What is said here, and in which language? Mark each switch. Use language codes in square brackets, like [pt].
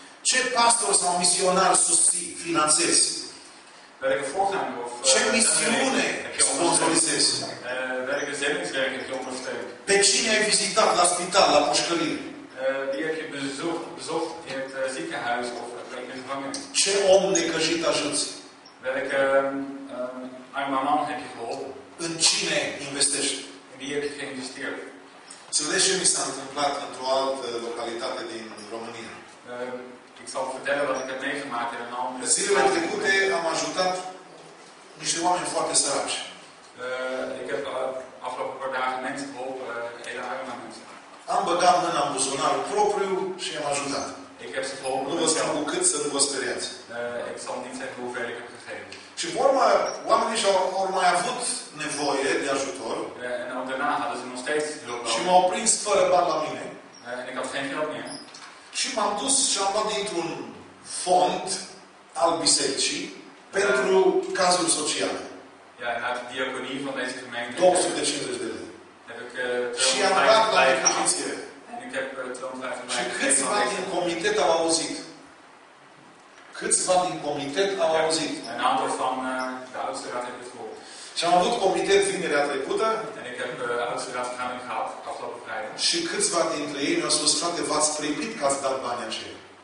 [ro] Ce pastor sau misionar susții, finanțezi? [nl] Welke voorganger of missione sponsorizes? Welke zendingswerk heb je ondersteund? [ro] Pe cine ai vizitat la spital, la pușcărie? [nl] Wie heb je bezocht in het ziekenhuis of in de gevangenis? [ro] Ce om necăjit ajuți? [nl] Welke arme man heb je geholpen? [ro] În cine investești? [nl] In wie heb je geïnvesteerd? [ro] Să vedeți ce mi s-a întâmplat într-o altă localitate din România. [nl] Ik zal vertellen wat ik heb meegemaakt in een andere. [ro] Zilele trecute am ajutat niște oameni foarte săraci. [nl] Ik heb afgelopen paar dagen mensen geholpen, hele arme mensen. [ro] Am băgat mâna în buzunar propriu și am ajutat. [nl] Ik heb ze geholpen. [ro] Nu vă spun cu cât să nu vă speriați. [nl] Ik zal niet zeggen hoeveel ik heb gegeven. [ro] Și pe urmă, oamenii și-au mai avut nevoie de ajutor. [nl] En ook daarna hadden ze nog steeds hulp. [ro] Și m-au prins fără bani la mine. [nl] En ik had geen geld meer. [ro] Și m-am dus și am luat dintr-un fond al bisericii pentru cazuri sociale. [nl] Ja, en uit de diaconie van deze gemeente. [ro] 250 de lei. [nl] Heb ik [ro] și am dat la repetiție. [nl] En ik heb 250 [ro] de lei. Și câțiva din comitet au auzit. Câțiva din comitet au auzit. [nl] Een aantal van de oudste raad heeft het gehoord. [ro] Și am avut comitet vinerea trecută. [nl] En ik heb de oudste raad vergadering gehad. [ro] Și câțiva dintre ei mi-au spus, frate, v-ați primit că ați dat banii aceia.